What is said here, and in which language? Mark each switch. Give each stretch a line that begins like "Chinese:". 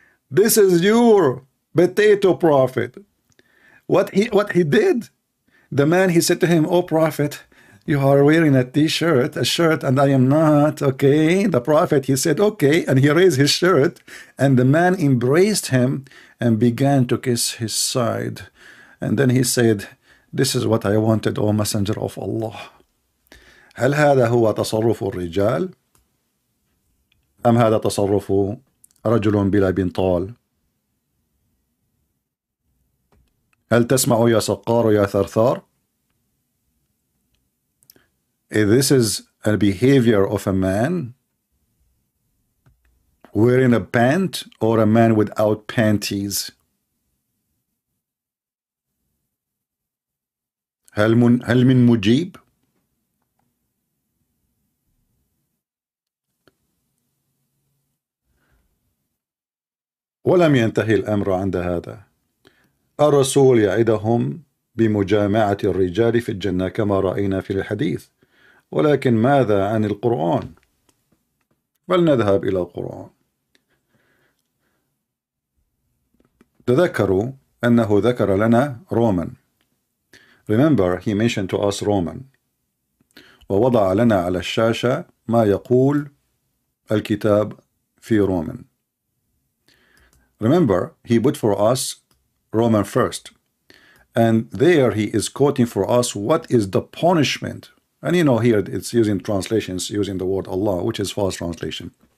English: This is your potato prophet. What he did, the man, he said to him, oh, prophet, you are wearing a shirt, and I am not, okay? The prophet, he said, okay, and he raised his shirt, and the man embraced him and began to kiss his side. And then he said, this is what I wanted, O Messenger of Allah.
Arabic: هل هذا هو تصرف الرجال؟ أم هذا تصرف رجل بلا بنطال؟ هل تسمع يا سقار يا ثرثار؟
English: If this is a behavior of a man wearing a pant or a man without panties.
Arabic: هل من مجيب؟ ولم ينتهي الأمر عند هذا. الرسول يعدهم بمجامعة الرجال في الجنة كما رأينا في الحديث. ولكن ماذا عن القرآن؟ فلنذهب إلى القرآن. تذكروا أنه ذكر لنا رومان.
English: Remember, he mentioned to us Roman.
Arabic: ووضع لنا على الشاشة ما يقول الكتاب في رومان.
English: Remember, he put for us Roman first. And there he is quoting for us what is the punishment. And you know, here it's using translations, using the word Allah, which is false translation.